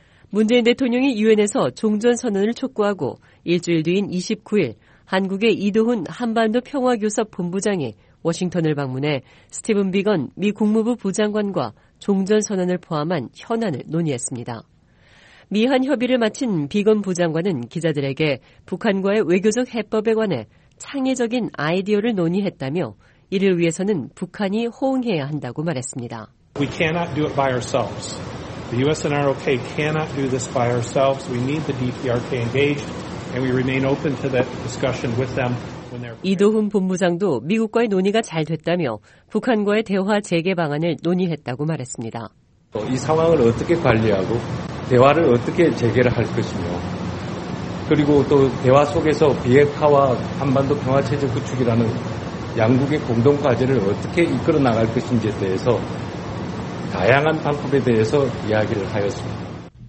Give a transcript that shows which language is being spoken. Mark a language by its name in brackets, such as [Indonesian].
[Korean] 문재인 대통령이 유엔에서 종전선언을 촉구하고 일주일 뒤인 29일 한국의 이도훈 한반도 평화교섭 본부장이 워싱턴을 방문해 스티븐 비건 미 국무부 부장관과 종전선언을 포함한 현안을 논의했습니다. 미한 협의를 마친 비건 부장관은 기자들에게 북한과의 외교적 해법에 관해 창의적인 아이디어를 논의했다며 이를 위해서는 북한이 호응해야 한다고 말했습니다. [English] We cannot do it by ourselves. The US and ROK cannot do this by ourselves. We need the DPRK engaged and we remain open to that discussion with them when they're [Korean] 이도훈 본부장도 미국과의 논의가 잘 됐다며 북한과의 대화 재개 방안을 논의했다고 말했습니다. 이 상황을 어떻게 관리하고 대화를 어떻게 재개를 할 것이며 그리고 또 대화 속에서 비핵화와 한반도 평화 체제 구축이라는 양국의 공동 과제를 어떻게 이끌어 나갈 것인지에 대해서 다양한 방법에 대해서 이야기를 하였습니다.